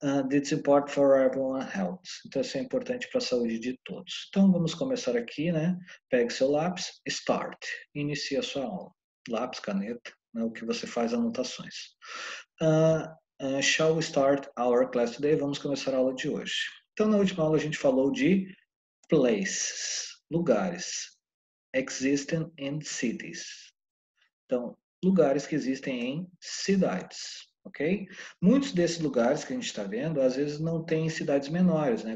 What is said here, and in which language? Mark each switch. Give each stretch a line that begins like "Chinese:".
English: This support for everyone helps.
Portuguese: Então isso é importante para a saúde de todos. Então vamos começar aqui, né? Pegue seu lápis, start, inicie a sua aula. Lápis, caneta, né? O que você faz anotações.
English: Shall we start our class today?
Portuguese: Vamos começar a aula de hoje. Então, na última aula, a gente falou de places, lugares, existem
English: in cities.
Portuguese: Então, lugares que existem em cidades, ok? Muitos desses lugares que a gente está vendo, às vezes, não tem cidades menores, né?